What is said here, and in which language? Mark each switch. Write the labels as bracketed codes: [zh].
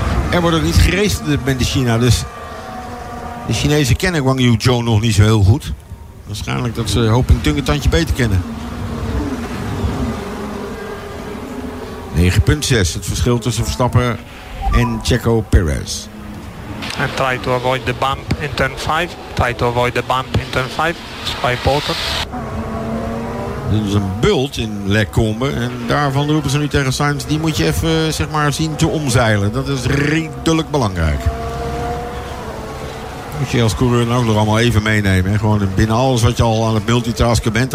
[nl] Er wordt ook niet gereisd met de China, dus de Chinezen kennen Guanyu Zhou nog niet zo heel goed. Waarschijnlijk dat ze Hoping Tung een tandje beter kennen. 9,6. Het verschil tussen Verstappen en Checo Perez. [en] And try to avoid the bump in turn 5. It's quite important. [nl] Dit is een bult in Lecombe. En daarvan roepen ze nu tegen Sainz. Die moet je even zeg maar zien te omzeilen. Dat is redelijk belangrijk. Moet je als coureur dan ook nog allemaal even meenemen. Hè? Gewoon binnen alles wat je al aan het multitasken bent.